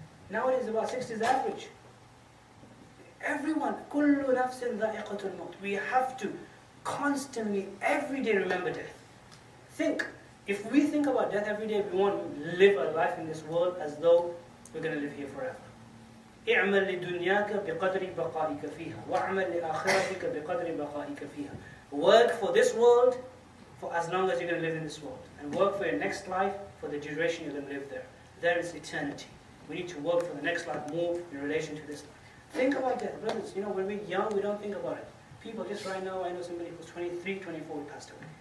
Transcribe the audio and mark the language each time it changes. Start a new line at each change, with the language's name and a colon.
English: Nowadays, about 60 is average. Everyone,
Arabic: kullu nafsin dha'iqatul maut.
English: We have to constantly, every day, remember death. Think, if we think about death every day, we won't live our life in this world as though we're going to live here forever.
Arabic: اعمل لدنياك بقدر بقائك فيها واعمل لآخرتك بقدر بقائك فيها.
English: Work for this world for as long as you're going to live in this world. And work for your next life for the duration you're going to live there. There is eternity. We need to work for the next life more in relation to this life. Think about death, brothers. You know, when we're young, we don't think about it. People, just right now, I know somebody who's 23, 24, who passed away.